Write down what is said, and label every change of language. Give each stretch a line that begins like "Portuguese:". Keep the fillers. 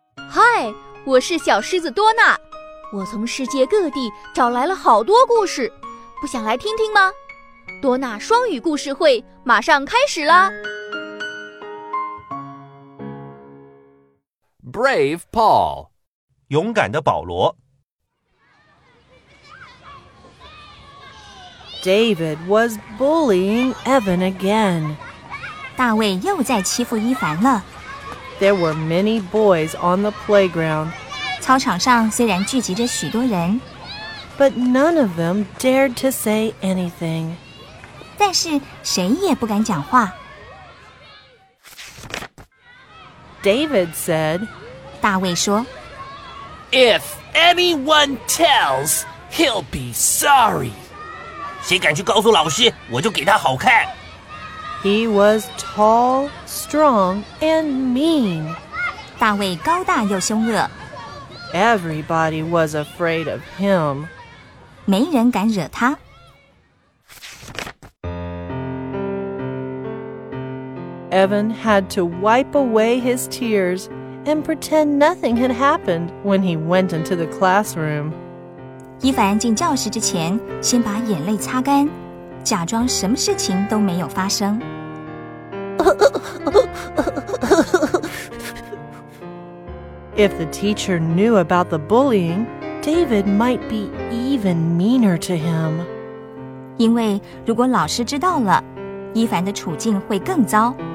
Chinese: 嗨，我是小狮子多纳，我从世界各地找来了好多故事，不想来听听吗？多纳双语故事会马上开始啦！Brave Paul，勇敢的保罗。
English: David was bullying Evan again，
Chinese: 大卫又在欺负伊凡了。
English: There were many boys on the playground.
Chinese: 操场上虽然聚集着许多人，
English: but none of them dared to say anything.
Chinese: 但是谁也不敢讲话。
English: David said.
Chinese: 大卫说，
English: If anyone tells, he'll be sorry.
Chinese: 谁敢去告诉老师，我就给他好看。
English: He was tall, strong, and mean.
Chinese: 大卫高大又凶恶。
English: Everybody was afraid of him.
Chinese: 没人敢惹他。
English: Evan had to wipe away his tears and pretend nothing had happened when he went into the classroom.
Chinese: 伊凡进教室之前，先把眼泪擦干，假装什么事情都没有发生。
English: If the teacher knew about the bullying, David might be even meaner to him.
Chinese: 因为如果老师知道了，伊凡的处境会更糟。